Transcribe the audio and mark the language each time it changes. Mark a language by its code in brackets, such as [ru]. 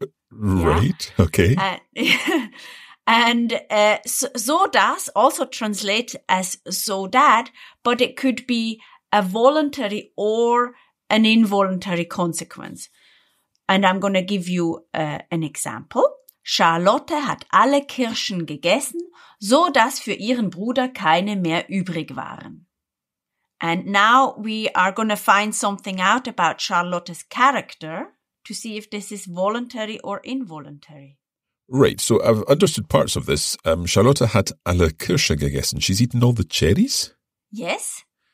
[en] Right. Yeah. Okay. And so das also translates as so that, but it could be a voluntary or an involuntary consequence. And I'm going to give you an example. [de] Charlotte hat alle Kirschen gegessen, so dass für ihren Bruder keine mehr übrig waren. [en] And now we are going to find something out about Charlotte's character to see if this is voluntary or involuntary. Right, so I've understood parts of this. [de] Charlotte hat alle Kirsche gegessen. [en] She's eaten all the cherries? Yes.